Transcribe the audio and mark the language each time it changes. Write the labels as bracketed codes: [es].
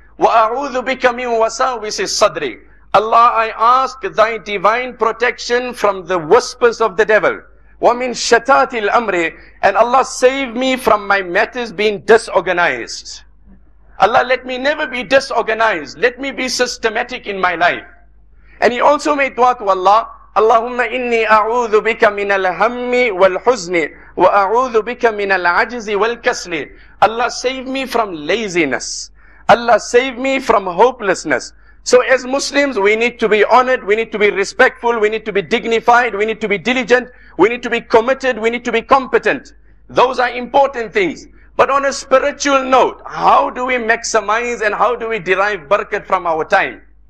[ar] وَأَعُوذُ بِكَ مِنْ وَسَاوِسِ الصَّدْرِ. [en] Allah, I ask thy divine protection from the whispers of the devil. [ar] وَمِنْ شَتَاتِ الْأَمْرِ. [en] And Allah, save me from my matters being disorganized. Allah, let me never be disorganized. Let me be systematic in my life. And he also made dua to Allah. [ar] اللهم إني أعوذ بك من الهم والحزن وأعوذ بك من العجز والكسل. [en] Allah, save me from laziness. Allah, save me from hopelessness. So as Muslims, we need to be honored, we need to be respectful, we need to be dignified, we need to be diligent, we need to be committed, we need to be competent. Those are important things. But on a spiritual note, how do we maximize and how do we derive barakat from our time?